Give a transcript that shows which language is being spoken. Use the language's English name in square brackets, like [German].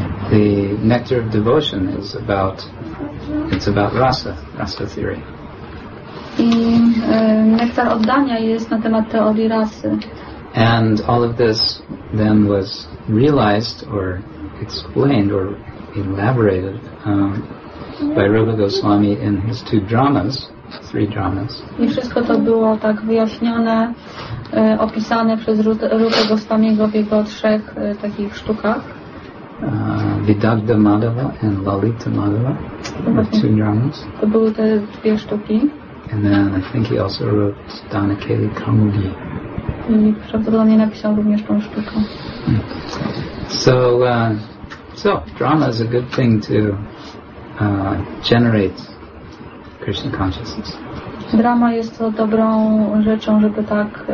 [English] The nectar of devotion is about rasa theory. [Polish] I nektar oddania jest na temat teorii rasy. [English] And all of this then was realized or explained or elaborated by Rupa Goswami in his two dramas, three dramas. [Polish] I wszystko to było tak wyjaśnione, opisane przez Rupa Goswamiego w jego trzech takich sztukach. [English] Vidagdha Madhava and Lalita Madhava, two dramas. [Polish] To były te dwie sztuki. [English] And then I think he also wrote Dhanakeli Kamudi. [Polish] I prawdopodobnie napisał również tą sztukę. [English] So drama is a good thing to generate Krishna consciousness. [Polish] Drama jest to dobrą rzeczą, żeby tak